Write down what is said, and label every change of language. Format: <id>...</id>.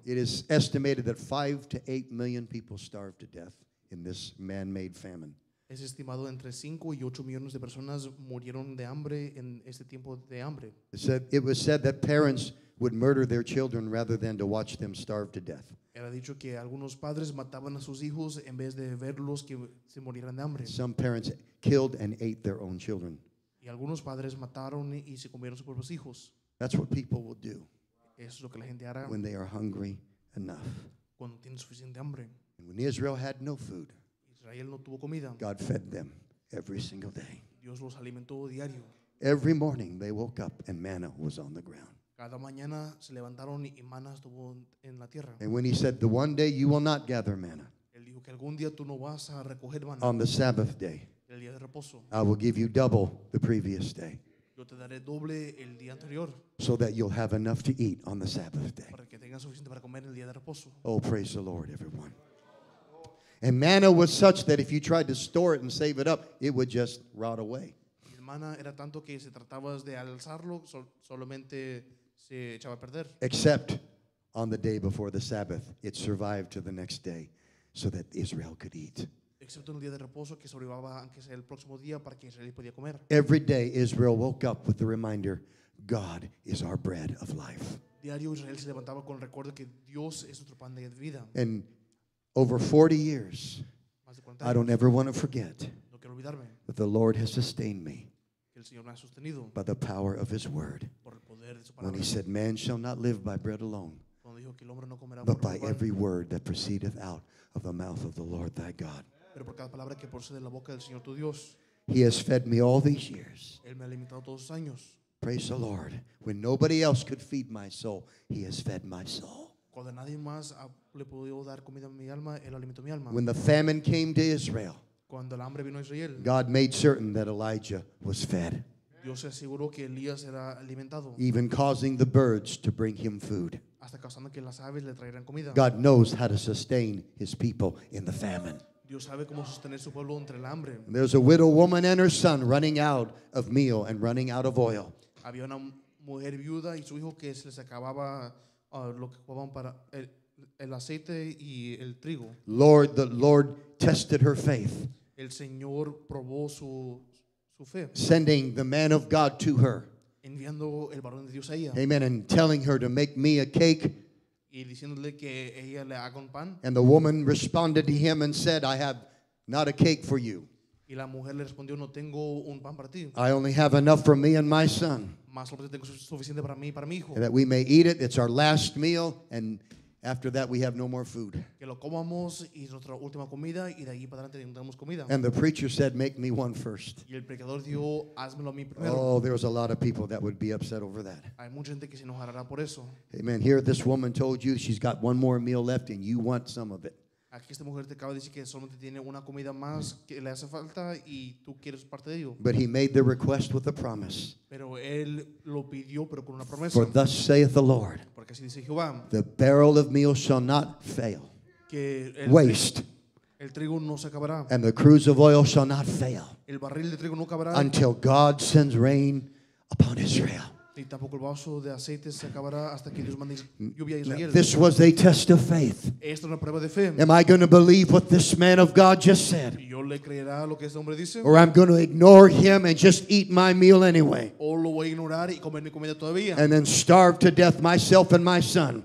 <en>It is estimated that 5 to 8 million people starved to death in this man-made famine.</en> <es>Es estimado entre 5 y 8 millones de personas murieron de hambre en este tiempo de hambre.</es> <en>It was said that parents would murder their children rather than to watch them starve to death.</en> <es>Era dicho que algunos padres mataban a sus hijos en vez de verlos que se murieran de hambre.</es> <en>Some parents killed and ate their own children.</en> <es>Y algunos padres mataron y se comieron sus propios hijos.</es> <en>That's what people will do.</en> <es>Eso es lo que la gente hará.</es> <en>When they are hungry enough.</en> <es>Cuando tienen suficiente hambre.</es> <en>And when Israel had no food.</en> <es>Israel no tuvo comida.</es> <en>God fed them every single day.</en> <es>Dios los alimentó diario.</es> <en>Every morning they woke up and manna was on the ground.</en> <es>Cada mañana se levantaron y manna estuvo en la tierra.</es> <en>And when He said, "The one day you will not gather manna."</en> <es>Él dijo que algún día tú no vas a recoger manna.</es> <en>On the Sabbath day.</en> <es>El día de reposo.</es> <en>I will give you double the previous day.</en> <es>Yo te daré doble el día anterior.</es> <en>So that you'll have enough to eat on the Sabbath day.</en> <es>Para que tengas suficiente para comer el día de reposo.</es> <en>Oh, praise the Lord, everyone. And manna was such that if you tried to store it and save it up, it would just rot away.</en> <es>El manna era tanto que si tratabas de alzarlo, solamente se echaba a perder.</es> <en>Except on the day before the Sabbath, it survived to the next day so that Israel could eat.</en> <es>Excepto en el día de reposo que sobrevivaba aunque sea el próximo día para que Israel podía comer.</es> <en>Every day Israel woke up with the reminder, God is our bread of life.</en> <es>Diario Israel se levantaba con el recuerdo que Dios es nuestro pan de vida.</es> <en>And over 40 years, I don't ever want to forget that the Lord has sustained me by the power of His word. When He said, "Man shall not live by bread alone, but by every word that proceedeth out of the mouth of the Lord thy God."</en> <es>Pero por cada palabra que procede de la boca del Señor tu Dios.</es> <en>He has fed me all these years.</en> <es>Él me ha alimentado todos los años.</es> <en>Praise the Lord. When nobody else could feed my soul, He has fed my soul.</en> <es>Cuando nadie más le pudo dar comida a mi alma, Él alimentó mi alma.</es> <en>When the famine came to Israel,</en> <es>cuando el hambre vino a Israel,</es> <en>God made certain that Elijah was fed.</en> <es>Dios se aseguró que Elías era alimentado.</es> <en>Even causing the birds to bring him food.</en> <es>Hasta causando que las aves le trajeran comida.</es> <en>God knows how to sustain His people in the famine.</en> <es>Dios sabe cómo sostener su pueblo entre el hambre.</es> <en>There's a widow woman and her son running out of meal and running out of oil.</en> <es>Había una mujer viuda y su hijo que se les acababa lo que ocupaban para el aceite y el trigo.</es> <en>Lord, the Lord tested her faith.</en> <es>El Señor probó su fe.</es> <en>Sending the man of God to her.</en> <es>Enviando el varón de Dios a ella.</es> <en>Amen. And telling her to make me a cake.</en> <es>Y diciéndole que ella le haga un pan.</es> <en>And the woman responded to him and said, I have not a cake for you.</en> <es>Y la mujer le respondió, no tengo un pan para ti.</es> <en>I only have enough for me and my son.</en> <es>Más lo que tengo es suficiente para mí y para mi hijo.</es> <en>And that we may eat it, it's our last meal, and after that we have no more food.</en> <es>Que lo comamos y es nuestra última comida, y de allí para adelante no tenemos comida.</es> <en>And the preacher said, make me one first.</en> <es>Y el predicador dijo, házmelo a mí primero.</es> <en>Oh, there's a lot of people that would be upset over that.</en> <es>Hay mucha gente que se enojará por eso.</es> <en>Amen. Here this woman told you she's got one more meal left and you want some of it.</en> <es>Aquí esta mujer te acaba de decir que solamente tiene una comida más que le hace falta y tú quieres parte de ello.</es> <en>But he made the request with a promise.</en> <es>Pero él lo pidió, pero con una promesa.</es> <en>For thus saith the Lord.</en> <es>Porque así dice Jehová.</es> <en>The barrel of meal shall not fail.</en> <es>Que</es> <en>waste.</en> <es>El trigo no se acabará.</es> <en>And the cruse of oil shall not fail.</en> <es>El barril de trigo no acabará.</es> <en>Until God sends rain upon Israel.</en> <es>Y tampoco el vaso de aceite se acabará hasta que Dios mande lluvia a Israel.</es> <en>This was a test of faith.</en> <es>Esto es una prueba de fe.</es> <en>Am I going to believe what this man of God just said?</en> <es>¿Yo le creerá lo que ese hombre dice?</es> <en>Or I'm going to ignore him and just eat my meal anyway.</en> <es>¿O lo voy a ignorar y comer mi comida todavía?</es> <en>And then starve to death myself and my son.</en>